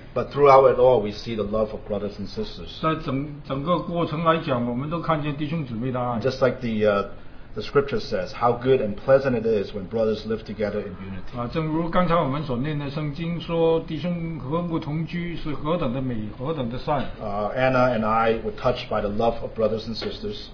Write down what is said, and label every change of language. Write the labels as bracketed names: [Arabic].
[English] But throughout it all, we see the love of brothers and sisters. [Chinese] 在整个过程来讲，我们都看见弟兄姊妹的爱。 [English] Just like the scripture says, how good and pleasant it is when brothers live together in unity. [Chinese] 正如刚才我们所念的圣经说，弟兄和睦同居是何等的美，何等的善。 [English] Anna and I were touched by the love of brothers and sisters.